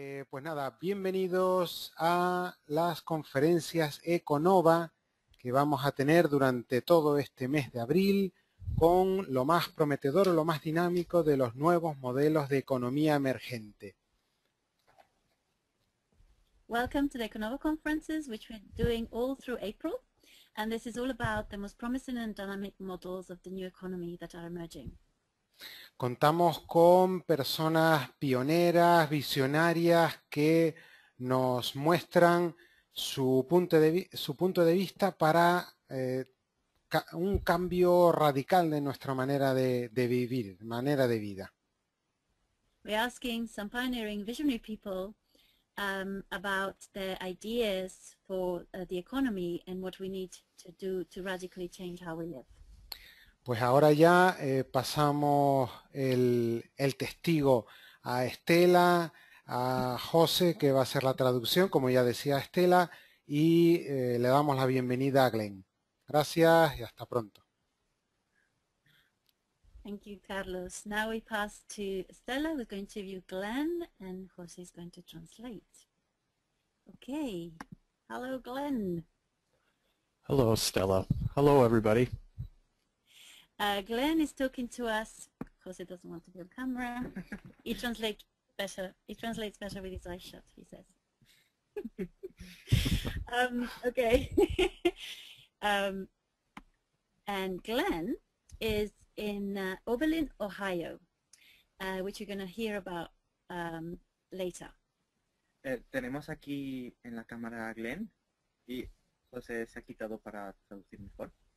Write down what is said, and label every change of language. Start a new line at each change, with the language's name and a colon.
Spanish: Pues nada, bienvenidos a las conferencias EcoNova que vamos a tener durante todo este mes de abril con lo más prometedor o lo más dinámico de los nuevos modelos de economía emergente.
English: Welcome to the EcoNova conferences, which we're doing all through April, and this is all about the most promising and dynamic models of the new economy that are emerging.
Spanish: Contamos con personas pioneras, visionarias, que nos muestran su punto de vista para un cambio radical de nuestra manera de vivir, manera de vida.
English: We're asking some pioneering visionary people about their ideas for the economy and what we need to do to radically change how we live.
Spanish: Pues ahora ya pasamos el testigo a Estela, a José, que va a hacer la traducción, como ya decía Estela, y le damos la bienvenida a Glenn. Gracias y hasta pronto.
English: Thank you, Carlos. Now we pass to Estela, who's going to interview Glenn, and José is going to translate. Okay. Hello, Glenn. Hello, Estela. Hello, everybody. Glenn is talking to us because he doesn't want to be on camera. He translates better with his eyes shut, he says. okay. and Glenn is in Oberlin, Ohio, which you're going to hear about later.
Spanish: Tenemos aquí en la cámara a Glenn y José se ha quitado para traducir mejor.